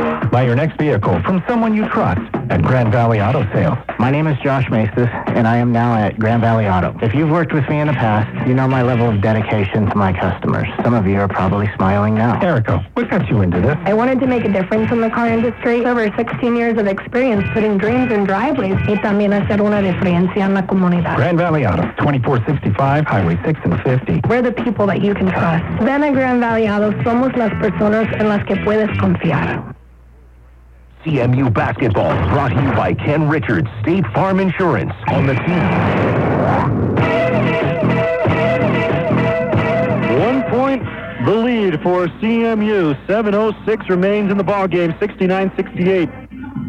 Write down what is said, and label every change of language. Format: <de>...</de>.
<en>Buy your next vehicle from someone you trust at Grand Valley Auto Sales. My name is Josh Maces, and I am now at Grand Valley Auto. If you've worked with me in the past, you know my level of dedication to my customers. Some of you are probably smiling now. Erica, what got you into this? I wanted to make a difference in the car industry. Over 16 years of experience putting dreams in driveways.</en> <es>Y también hacer una diferencia en la comunidad.</es> <en>Grand Valley Auto, 2465 Highway 6 and 50. We're the people that you can trust.</en> <es>Ven a Grand Valley Auto, somos las personas en las que puedes confiar.</es> <en>CMU Basketball, brought to you by Ken Richards, State Farm Insurance, on the team. 1 point, the lead. for CMU. 7:06 remains in the ballgame, 69-68.</en>